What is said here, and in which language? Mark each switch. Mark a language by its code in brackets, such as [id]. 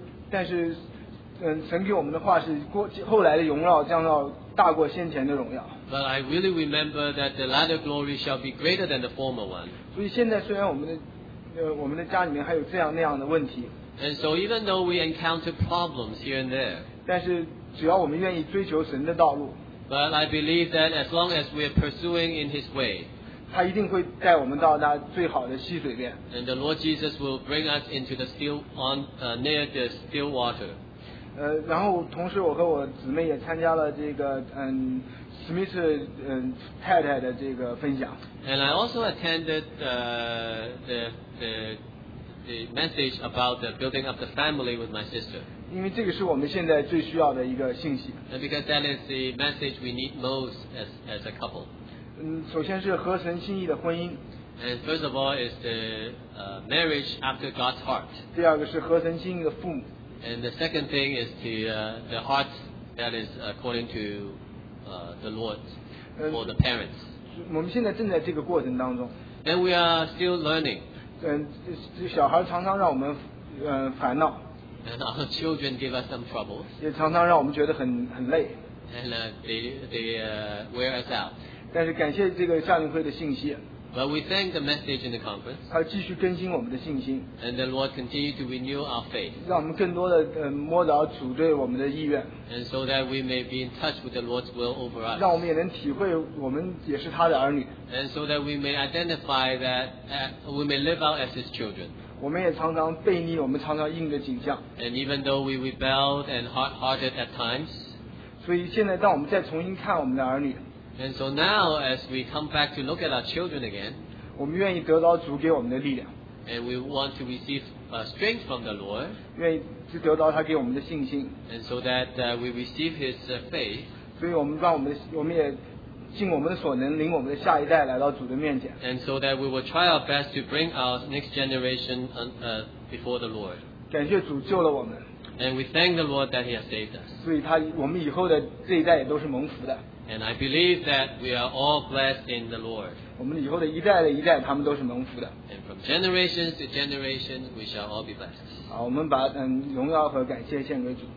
[zh] 但是神给我们的话是过后来的荣耀将要大过先前的荣耀。 [en] But I really remember that the latter glory shall be greater than the former one. [zh] 所以现在虽然我们的家里面还有这样那样的问题。 [en] And so even though we encounter problems here and there. [zh] 但是只要我们愿意追求神的道路 [en] ，But I believe that as long as we are pursuing in His way， [zh] 他一定会带我们到那最好的溪水边。 [en] And the Lord Jesus will bring us into the still on near the still water。 [zh] 然后同时我和我姊妹也参加了这个Smith 太太的这个分享。 [en] And I also attended the message about the building up the family with my sister。 [zh] 因为这个是我们现在最需要的一个信息。 [en] And because that is the message we need most as a couple. [zh] 首先是合神心意的婚姻。 [en] And first of all is the marriage after God's heart. [zh] 第二个是合神心意的父母。 [en] And the second thing is the heart that is according to the Lord for the parents. [zh] 我们现在正在这个过程当中。 [en] And we are still learning. [zh] 小孩常常让我们烦恼。 [en] And our children give us some troubles. [zh] 也常常让我们觉得很累。 [en] And they wear us out. [zh] 但是感谢这个夏令会的信息。 [en] But we thank the message in the conference. [zh] 它继续更新我们的信心。 [en] And the Lord continue to renew our faith. [zh] 让我们更多的摸着主对我们的意愿。 [en] And so that we may be in touch with the Lord's will over us. [zh] 让我们也能体会我们也是他的儿女。 [en] And so that we may identify that we may live out as His children. [zh] 我们也常常悖逆，我们常常应着景象。 [en] And even though we rebelled and hard-hearted at times, [zh] 所以现在当我们再重新看我们的儿女。 [en] And so now, as we come back to look at our children again, [zh] 我们愿意得到主给我们的力量。 [en] And we want to receive strength from the Lord. [zh] 愿意得到他给我们的信心。 [en] And so that we receive His faith. [zh] 所以我们让我们也尽我们的所能领我们的下一代来到主的面前。 [en] And so that we will try our best to bring our next generation before the Lord. [zh] 感谢主救了我们。 [en] And we thank the Lord that He has saved us. [zh] 所以他我们以后的这一代也都是蒙福的。 [en] And I believe that we are all blessed in the Lord. [zh] 我们以后的一代的一代他们都是蒙福的。 [en] And from generation to generation we shall all be blessed. [zh] 好，我们把荣耀和感谢献给主。